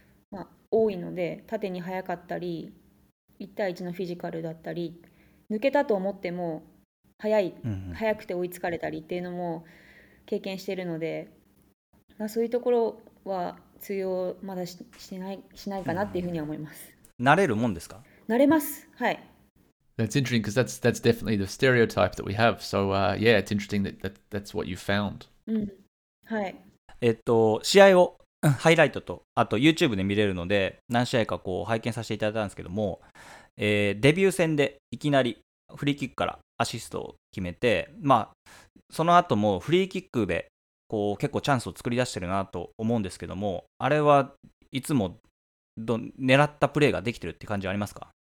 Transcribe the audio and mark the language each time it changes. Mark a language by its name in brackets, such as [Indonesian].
[Japanese] まあ、多いので、縦に速かったり1対1のフィジカルだったり、抜けたと思っても速くて追いつかれたりっていうのも経験しているので、まあ、そういうところは通用まだ しないかなっていうふうには思います。慣れるもんですか？慣れます、はい。 [English] That's interesting, because that's definitely the stereotype that we have. So, yeah, it's interesting that's what you found. [Japanese] はい。試合をハイライトと、あと YouTube で見れるので、何試合かこう拝見させていただいたんですけども、デビュー戦でいきなりフリーキックからアシストを決めて、まあ、その後もフリーキックでこう結構チャンスを作り出してるなと思うんですけども、あれはいつも狙ったプレーができてるって感じはありますか？